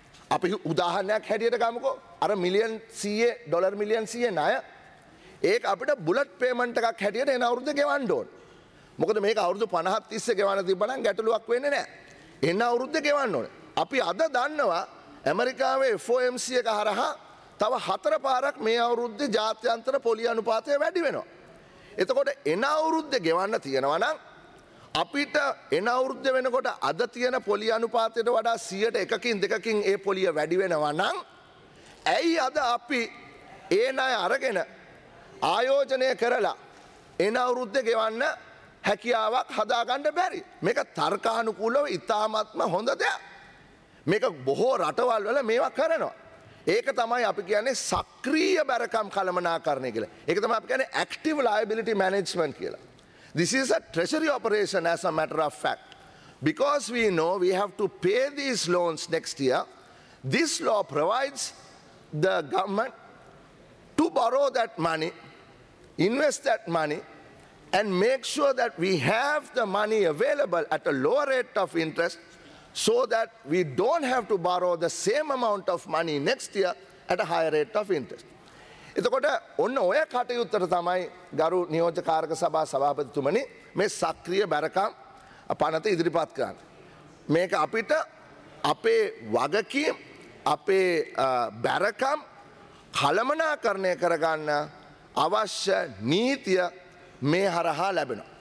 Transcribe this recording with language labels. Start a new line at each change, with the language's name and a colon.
Sinhala: අපි උදාහරණයක් හැටියට ගමුකෝ. අර මිලියන් 100 ඩොලර් මිලියන් 100 ණය ඒක අපිට බුලට් පේමන්ට් එකක් හැටියට එන අවුරුද්දේ ගෙවන්න ඕන. මොකද මේක අවුරුදු 50 30 ගෙවන්න තිබ්බනම් ගැටලුවක් වෙන්නේ නැහැ. එන අවුරුද්දේ ගෙවන්න ඕන. අපි අද දන්නවා ඇමරිකාවේ FOMC එක හරහා තව 4 පාරක් මේ අවුරුද්දේ ජාත්‍යන්තර පොලි අනුපාතය වැඩි වෙනවා. එතකොට එන අවුරුද්දේ ගෙවන්න තියෙනවා නම් අපිට එන අවුරුද්දේ වෙනකොට අද තියෙන පොලි අනුපාතයට වඩා 100%කින් 2කින් ඒ පොලිය වැඩි වෙනවා නම් ඇයි අද අපි ඒ ණය අරගෙන ආයෝජනය කරලා එන අවුරුද්දේ ගෙවන්න හැකියාවක් හදාගන්න බැරි මේක තර්කානුකූලව ඉතාමත්ම හොඳ දෙයක් මේක බොහෝ රටවල් වල මේවා කරනවා ඒක තමයි අපි කියන්නේ සක්‍රීය බැරකම් කළමනාකරණය කියලා ඒක තමයි අපි කියන්නේ ඇක්ටිව් ලයබිලිටි මැනේජ්මන්ට් කියලා
English: This is a treasury operation as a matter of fact because we know we have to pay these loans next year this law provides the government To borrow that money, invest that money, and make sure that we have the money available at a lower rate of interest so that we don't have to borrow the same amount of money next year at a higher rate of interest.
Sinhala: එතකොට ඔන්න ඔය කටයුත්තට තමයි ගරු නියෝජ්‍ය කාර්ක සභා සභාපතිතුමනි මේ සක්‍රීය බැරකම් පනත ඉදිරිපත් කරන්නේ. මේක අපිට අපේ වගකීම් අපේ බැරකම් කලමනාකරණය කරගන්න අවශ්‍ය නීතිය මේ හරහා ලැබෙනවා.